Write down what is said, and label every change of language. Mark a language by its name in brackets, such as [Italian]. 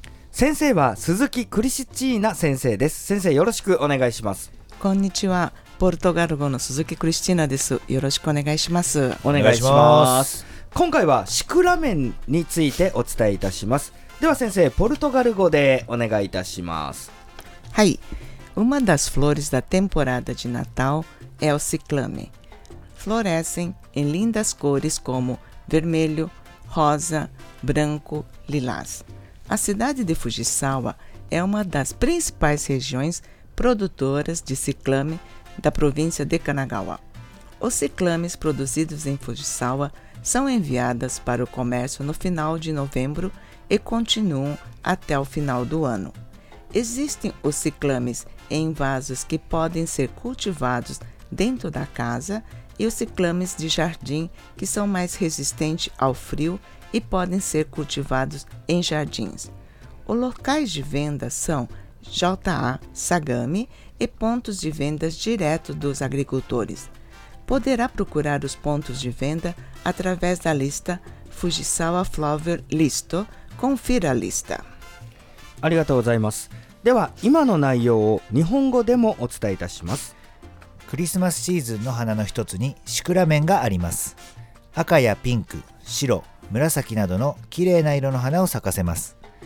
[Japanese] 先生は鈴木クリシチーナ先生です。先生よろしくお願いします。こんにちは、ポルトガル語の鈴木クリスチーナです。よろしくお願いします。お願いします。今回はシクラメンについてお伝えいたします。では先生、ポルトガル語でお願いいたします。はい。 [Portuguese] Uma das flores da temporada de Natal é o ciclame. Florescem em lindas cores como vermelho, rosa, branco, lilás. A cidade de Fujisawa é uma das principais regiões produtoras de ciclame da província de Kanagawa. Os ciclames produzidos em Fujisawa são enviados para o comércio no final de novembro e continuam até o final do ano. Existem os ciclames em vasos que podem ser cultivados dentro da casa e os ciclames de jardim que são mais resistentes ao frio e podem ser cultivados em jardins. Os locais de venda são JA Sagami e pontos de vendas direto dos agricultores. Poderá procurar os pontos de venda através da lista Fujisawa Flower Listo. Confira a lista. [Japanese] ありがとうございます。では今の内容を日本語でもお伝えいたします。クリスマスシーズンの花の一つにシクラメンがあります。赤やピンク、白、紫などの綺麗な色の花を咲かせます。